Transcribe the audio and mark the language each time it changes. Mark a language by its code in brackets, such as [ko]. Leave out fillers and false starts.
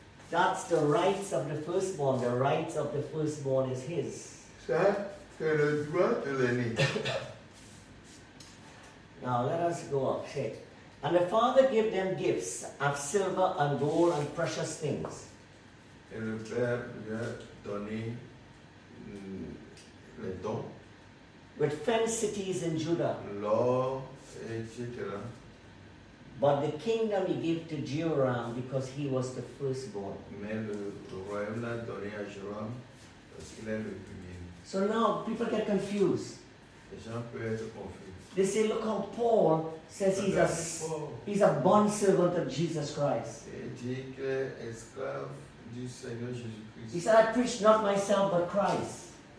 [en] That's the rights of the firstborn. The rights of the firstborn is his. [fr] Ça, c'est le droit de l'aîné. [en] Now let us go up. Shit. And the father gave them gifts of silver and gold and precious things. [fr] Et le père lui a donné le don. [en] With fenced cities in Judah. [fr] L'or, etc. [en] But the kingdom he gave to Jehoram because he was the firstborn. [fr] Mais le royaume l'a donné à Jehoram parce qu'il est le premier. [en] So now people get confused. [fr] Les gens peuvent être confus. [en] They say, look how Paul says he's a bond servant of Jesus Christ. He said, I preach not myself but Christ.